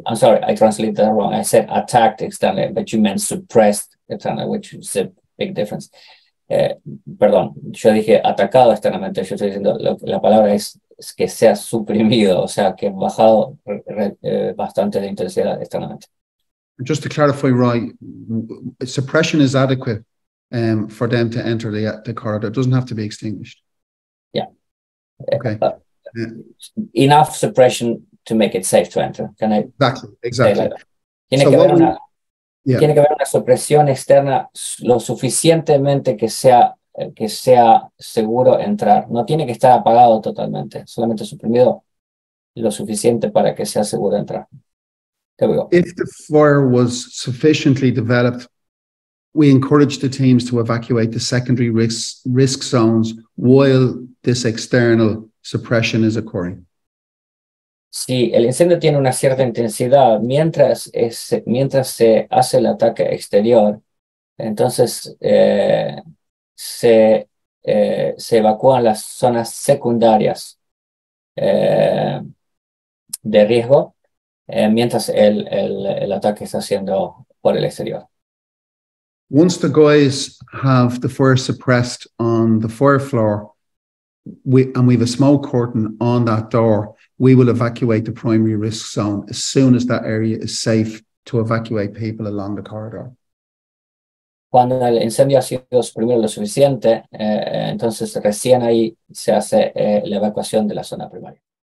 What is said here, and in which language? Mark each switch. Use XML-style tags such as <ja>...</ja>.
<en>I said attacked externally, but you meant suppressed externally, which is a big difference.</en> <es>Perdón, yo dije atacado externamente. Yo estoy diciendo la palabra es que sea suprimido, o sea que bajado bastante de intensidad externamente.</es> <en>Just to clarify, Roy, suppression is adequate for them to enter the corridor. It doesn't have to be extinguished. Yeah. Okay. Enough suppression to make it safe to enter. Can I? Exactly.</en> <es>Tiene que haber una supresión externa lo suficientemente que sea seguro entrar. No tiene que estar apagado totalmente, solamente suprimido lo suficiente para que sea seguro entrar.</es> <en>There we go. If the fire was sufficiently developed, we encourage the teams to evacuate the secondary risk zones while this external suppression is occurring.</en> <es>Si el incendio tiene una cierta intensidad, mientras se hace el ataque exterior, entonces se evacúan las zonas secundarias de riesgo mientras el ataque está siendo por el exterior.</es> <en>Once the guys have the fire suppressed on the fire floor, and we have a smoke curtain on that door, we will evacuate the primary risk zone as soon as that area is safe to evacuate people along the corridor.</en> <es>Cuando el incendio ha sido suprimido lo suficiente, entonces recién ahí se hace la evacuación de la zona primaria.</es>